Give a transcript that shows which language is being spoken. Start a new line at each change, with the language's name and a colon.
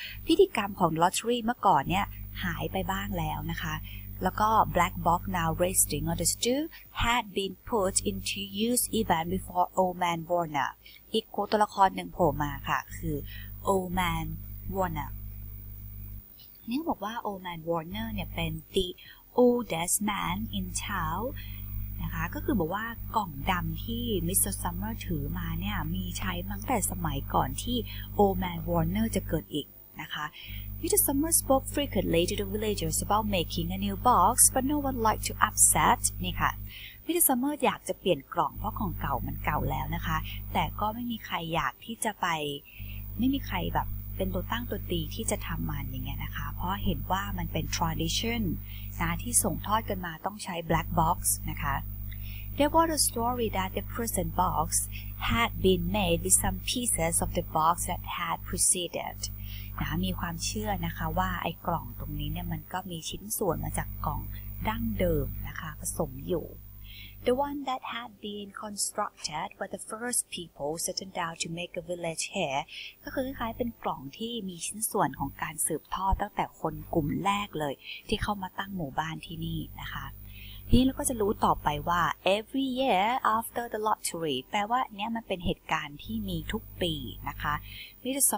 Thai: พิธีกรรมของ lottery เมื่อก่อนเนี่ยหายไปบ้างแล้วนะคะแล้วก็
English: black box now resting on the stool had been put into use even before old man Warner
Thai: อีกตัวละครหนึ่งโผล่มาค่ะคือ old man Warner นี่บอกว่า old man Warner เนี่ยเป็น
English: the oldest man in town
Thai: นะคะก็คือบอกว่ากล่องดำที่ Mr. Summer ถือมาเนี่ยมีใช้ตั้งแต่สมัยก่อนที่ old man Warner จะเกิดอีกนะคะMr.
English: Summer spoke frequently to the villagers about making a new box, but no one liked to upset.
Thai: นี่ค่ะ Mr. Summer อยากจะเปลี่ยนกล่องเพราะของเก่ามันเก่าแล้วนะคะแต่ก็ไม่มีใครอยากที่จะไม่มีใครแบบเป็นตัวตั้งตัวตีที่จะทำมันอย่างเงี้ยนะคะเพราะเห็นว่ามันเป็น tradition นะที่ส่งทอดกันมาต้องใช้ black box นะคะ
English: There was a story that the prison box had been made with some pieces of the box that had preceded.
Thai: นะมีความเชื่อนะคะว่าไอ้กล่องตรงนี้เนี่ยมันก็มีชิ้นส่วนมาจากกล่องดั้งเดิมนะคะผสมอยู่
English: The one that had been constructed by the first people settled down to make a village here
Thai: ก็คือคล้ายเป็นกล่องที่มีชิ้นส่วนของการสืบทอดตั้งแต่คนกลุ่มแรกเลยที่เข้ามาตั้งหมู่บ้านที่นี่นะคะทีนี้เราก็จะรู้ต่อไปว่า
English: every year after the lottery
Thai: แปลว่าเนี่ยมันเป็นเหตุการณ์ที่มีทุกปีนะคะ Mr.